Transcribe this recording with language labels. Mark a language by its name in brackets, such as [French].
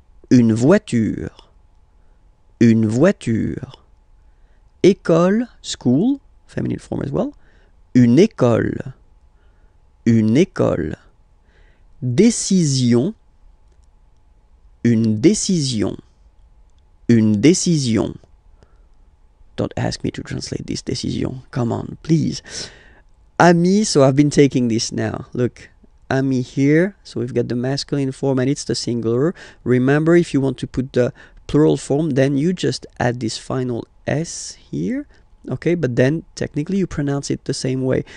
[French] Une voiture, une voiture. [English] École, school, feminine form as well. [French] Une école, une école. Décision, une décision, une décision. [English] Don't ask me to translate this décision. Come on, please. Ami, so I've been taking this now. Look, ami here. So we've got the masculine form and it's the singular. Remember, if you want to put the plural form, then you just add this final S here, okay, but then technically you pronounce it the same way.